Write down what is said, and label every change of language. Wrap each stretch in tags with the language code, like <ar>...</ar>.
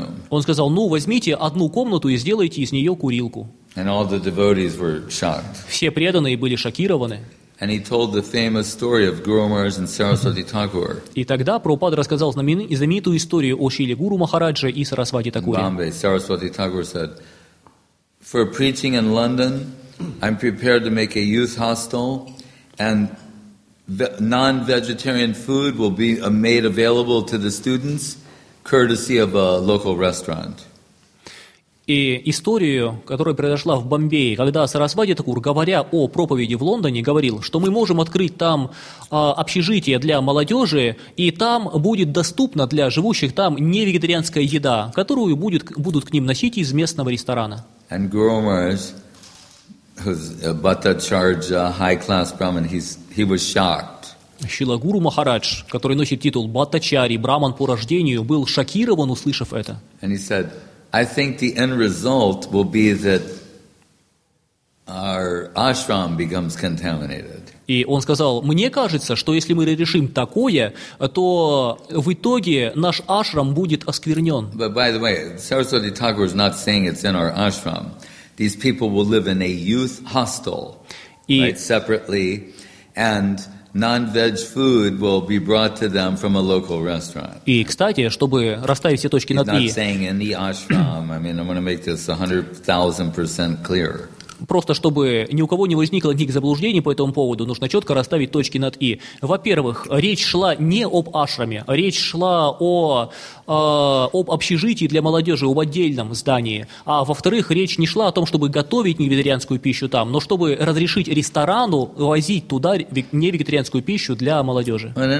<ru>Он сказал, ну возьмите одну комнату и сделайте из нее курилку. Все преданные были шокированы.</ru> <en>And he told the famous story of Guru Maharaj and Saraswati Thakur.</en> <ru>И тогда Прабхупада рассказал знаменитую историю о Шриле Гуру Махараджа и Сарасвати Такуре.</ru> <en>In Bombay, Saraswati Thakur said, "For preaching in London, I'm prepared to make a youth hostel, and non-vegetarian food will be made available to the students, courtesy of a local restaurant."</en> <ru>И историю, которая произошла в Бомбее, когда Сарасвати Такур, говоря о проповеди в Лондоне, говорил, что мы можем открыть там общежитие для молодежи, и там будет доступна для живущих там невегетарианская еда, которую будут к ним носить из местного ресторана.</ru> <en>And Guru Maharaj, who's a Bhattacharya, high-class Brahmin, he was shocked.</en> <ru>Шрила Гуру Махарадж, который носит титул Бхаттачари, Браман по рождению, был шокирован, услышав это.</ru> <en>And he said, I think the end result will be that our ashram becomes contaminated.</en> <ru>И он сказал, мне кажется, что если мы решим такое, то в итоге наш ашрам будет осквернен.</ru> <en>But by the way, Saraswati Thakur is not saying it's in our ashram. These people will live in a youth hostel, right, separately, and non-veg food will be brought to them from a local restaurant.</en> <ru>И, кстати, чтобы расставить все точки над «и».</ru> <en>He's not saying in the ashram. I mean, I'm going to make this 100,000% clear.</en> <ru>Просто чтобы ни у кого не возникло никаких заблуждений по этому поводу, нужно четко расставить точки над «и». Во-первых, речь шла не об ашраме, речь шла об общежитии для молодежи, об отдельном здании. А во-вторых, речь не шла о том, чтобы готовить невегетарианскую пищу там, но чтобы разрешить ресторану возить туда невегетарианскую пищу для молодежи.</ru>